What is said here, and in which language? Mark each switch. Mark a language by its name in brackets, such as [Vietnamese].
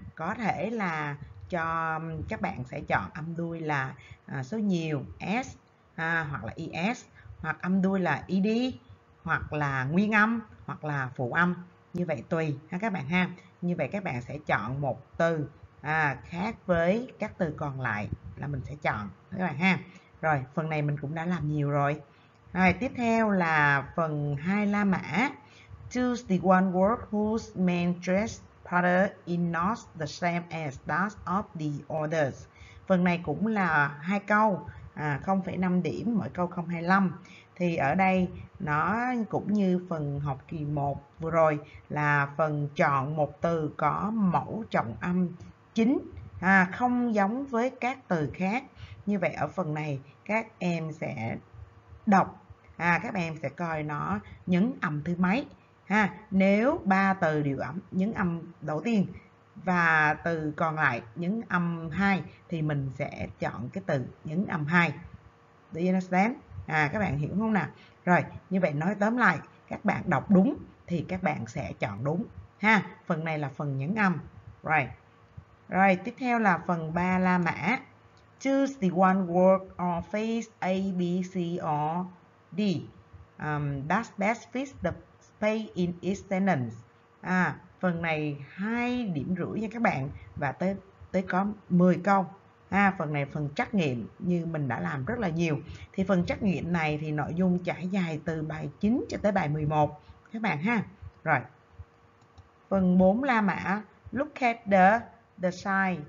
[Vietnamese] Có thể là cho các bạn sẽ chọn âm đuôi là số nhiều S hoặc là ES, hoặc âm đuôi là ED, hoặc là nguyên âm, hoặc là phụ âm. Như vậy tùy ha các bạn ha. Như vậy các bạn sẽ chọn một từ khác với các từ còn lại là mình sẽ chọn các bạn ha. Rồi, phần này mình cũng đã làm nhiều rồi. Rồi, tiếp theo là phần 2 La Mã. [English] Choose the one word whose main dress pattern is not the same as that of the others. [Vietnamese] Phần này cũng là hai câu, 0,5 điểm, mỗi câu 0,25. Thì ở đây nó cũng như phần học kỳ 1 vừa rồi là phần chọn một từ có mẫu trọng âm chính, không giống với các từ khác. Như vậy ở phần này các em sẽ đọc, các em sẽ coi nó nhấn âm thứ mấy. Nếu ba từ đều âm nhấn âm đầu tiên và từ còn lại nhấn âm 2 thì mình sẽ chọn cái từ nhấn âm 2. [English] Do you understand? [Vietnamese] Các bạn hiểu không nào? Rồi, như vậy nói tóm lại, các bạn đọc đúng thì các bạn sẽ chọn đúng ha. Phần này là phần nhấn âm. Right. Rồi, tiếp theo là phần 3 La Mã. [English] Choose the one word or phrase A, B, C or D. That best fits the space in its sentence. [Vietnamese] Phần này 2 điểm rưỡi nha các bạn và tới có 10 câu. Phần này phần trắc nghiệm như mình đã làm rất là nhiều. Thì phần trắc nghiệm này thì nội dung trải dài từ bài 9 cho tới bài 11 các bạn ha. Rồi. Phần 4 La Mã. [English] Look at the sign.